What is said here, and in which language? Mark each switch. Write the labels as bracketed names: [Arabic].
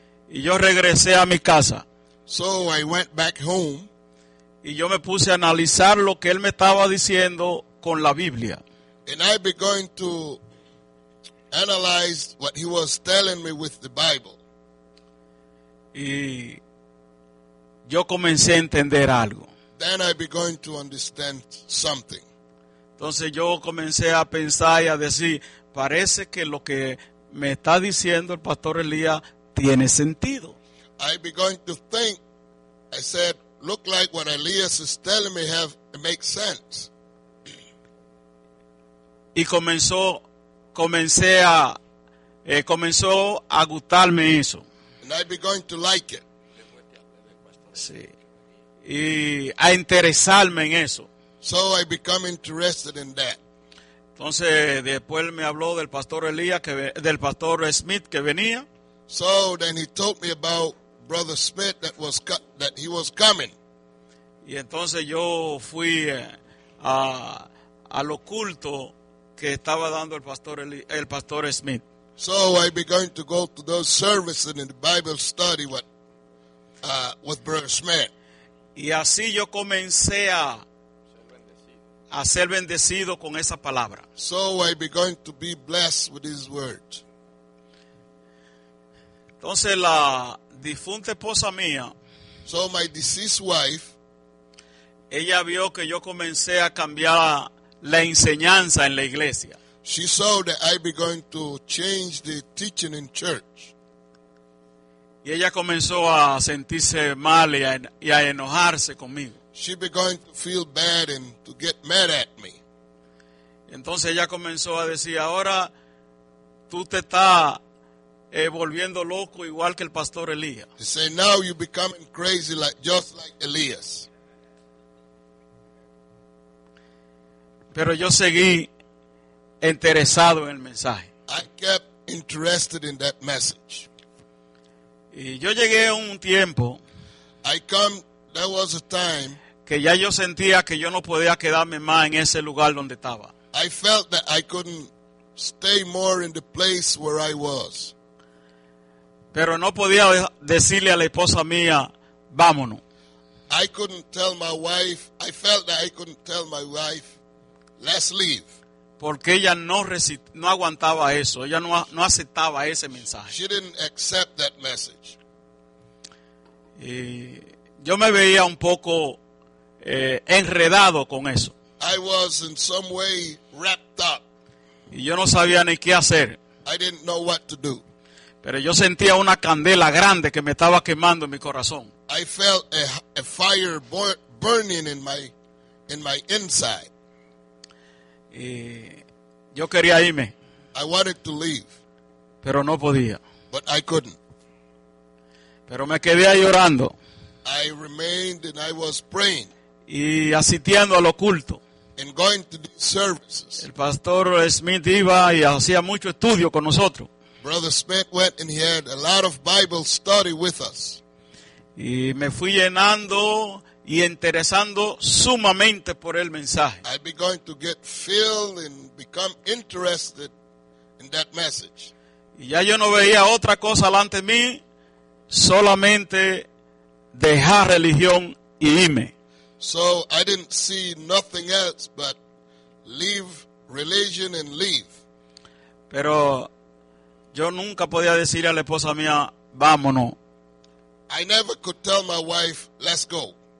[Spanish] Y yo regresé a mi casa. [English] So I went back home. [Spanish] Y yo me puse a analizar lo que él me estaba diciendo con la Biblia. [English] And I began to analyze what he was telling me with the Bible. [Spanish] Y yo comencé a entender algo. [English] Then I began to understand something. [Spanish] Entonces yo comencé a pensar y a decir, parece que lo que me está diciendo el pastor Elías tiene sentido. [English] I began to think, I said, look like what Elias is telling me have it makes sense. [Spanish] Y comenzó a gustarme eso. [English] And I began to like it. [Spanish] Sí. Y a interesarme en eso. [English] So I become interested in that. [Spanish] Entonces después me habló del pastor Elías que del pastor Smith que venía. [English] So then he told me about brother Smith that he was coming. [Spanish] Y entonces yo fui a lo culto que estaba dando el pastor Smith. [English] So I began to go to those services in the Bible study with brother Smith. [Spanish] Y así yo comencé a ser bendecido con esa palabra. [English] So I began to be blessed with these words. [Spanish] Entonces la difunta esposa mía. [English] So my deceased wife. [Spanish] Ella vio que yo comencé a cambiar la enseñanza en la iglesia. [English] She saw that I began to change the teaching in church. [Spanish] Y ella comenzó a sentirse mal y a enojarse conmigo. [English] She began to feel bad and to get mad at me. [Spanish] Entonces ella comenzó a decir, ahora tú te estás volviendo loco igual que el pastor Elías. [English] She said, now you're becoming crazy like just like Elias. [Spanish] Pero yo seguí interesado en el mensaje. [English] I kept interested in that message. [Spanish] Y yo llegué a un tiempo. [English] I come, there was a time. [Spanish] Que ya yo sentía que yo no podía quedarme más en ese lugar donde estaba. [English] I felt that I couldn't stay more in the place where I was. [Spanish] Pero no podía decirle a la esposa mía, vámonos. [English] I couldn't tell my wife, I felt that I couldn't tell my wife, let's leave. [Spanish] Porque ella no aguantaba eso. Ella no aceptaba ese mensaje. [English] She didn't accept that message. [Spanish] Y yo me veía un poco enredado con eso. [English] I was in some way wrapped up. [Spanish] Y yo no sabía ni qué hacer. [English] I didn't know what to do. [Spanish] Pero yo sentía una candela grande que me estaba quemando en mi corazón. [English] I felt a fire burning in my inside. [Spanish] Y yo quería irme. [English] I wanted to leave. [Spanish] Pero no podía. [English] But I couldn't. [Spanish] Pero me quedé ahí orando. [English] I remained and I was praying. [Spanish] Y asistiendo a los cultos. [English] And going to the services. [Spanish] El pastor Smith iba y hacía mucho estudio con nosotros. [English] Brother Smith went and he had a lot of Bible study with us. [Spanish] Y me fui llenando y interesando sumamente por el mensaje. [English] I began to get filled and become interested in that message. [Spanish] Y ya yo no veía otra cosa delante de mí, solamente dejar religión y irme. [English] So I didn't see nothing else but leave religion and leave. [Spanish] Pero yo nunca podía decirle a la esposa mía, vámonos. [English] I never could tell my wife, let's go.